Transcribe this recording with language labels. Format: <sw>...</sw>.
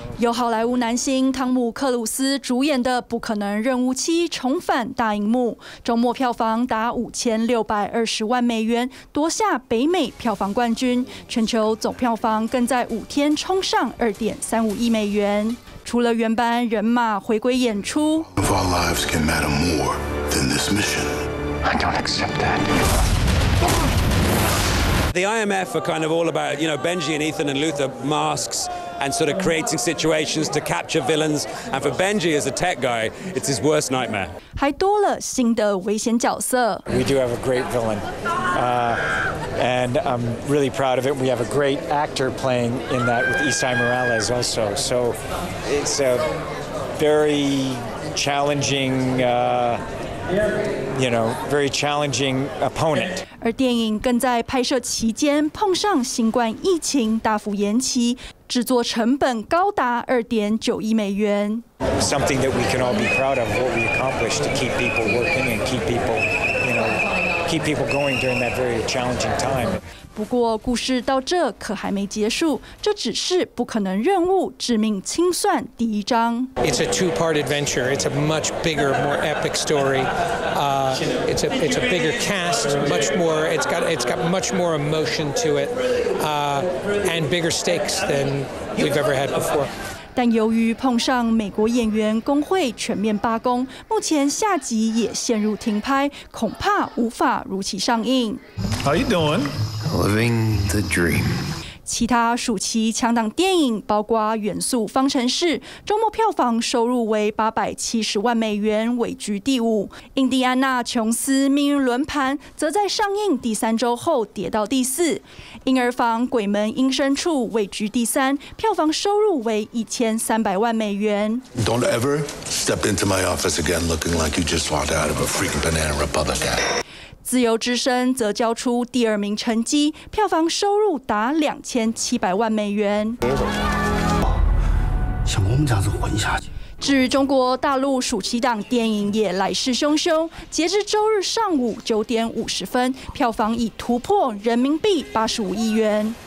<zh>由好莱坞男星汤姆·克鲁斯主演的《不可能任务7》重返大荧幕，周末票房达$5620万，夺下北美票房冠军，全球总票房更在五天冲上$2.35亿。除了原班人马回归演出</zh> <en>，None of our lives can matter more than this mission. I don't accept that. The IMF are kind of all about, you know, Benji and Ethan and Luther masks and sort of creating situations to capture villains. And for Benji as a tech guy, it's his worst nightmare.</en> <zh>还多了新的危险角色。</zh> <en>We do have a great villain, and I'm really proud of it. We have a great actor playing in that with Isai Morales also. So it's a very challenging, very challenging opponent.</en> <zh>而电影更在拍摄期间碰上新冠疫情，大幅延期，制作成本高达$2.9 million。</zh> <en>Something that we can all be proud of, what we accomplished to keep people working and keep people, you know, keep people going during that very challenging time.</en> <zh>不过，故事到这可还没结束，这只是《不可能任务：致命清算》第一章。</zh> <en>It's a two-part adventure. It's a much bigger, more epic story. It's a bigger cast, much more. It's got much more emotion to it, and bigger stakes than we've ever had before.</en> <zh>但由于碰上美国演员工会全面罢工，目前下集也陷入停拍，恐怕无法如期上映。</zh> <en>How you doing? Living the dream.</en> <zh>其他暑期强档电影包括《元素方程式》，周末票房收入为$870万，位居第五。 《印第安纳琼斯：命运轮盘》则在上映第三周后跌到第四。婴儿房《鬼门阴深处》位居第三，票房收入为$1300万。</zh> <en>Don't ever step into my office again looking like you just walked out of a freaking Banana Republic ad.</en> <zh>自由之声则交出第二名成绩，票房收入达$2700万。想我们这样子混下去。至于中国大陆暑期档电影也来势汹汹，截至周日上午9:50，票房已突破人民币85亿元。</zh>